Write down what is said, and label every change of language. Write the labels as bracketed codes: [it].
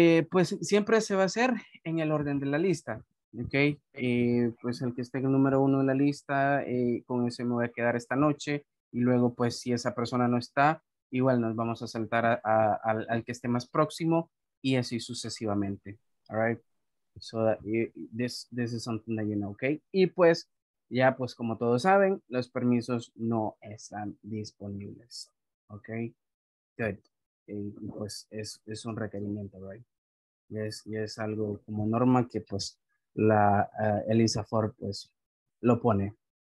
[es] Pues siempre se va a hacer en el orden de la lista, ¿ok? Pues el que esté en el número uno de la lista, con ese me voy a quedar esta noche, y luego pues si esa persona no está, igual nos vamos a saltar al que esté más próximo, y así sucesivamente, all right? [en] So that this is something that you know, ¿ok? [es] Y pues, ya, pues, como todos saben, los permisos no están disponibles, ¿ok? Good. Pues, es un requerimiento, ¿verdad? Y es algo como norma que, pues, el ISAFOR, pues, lo pone.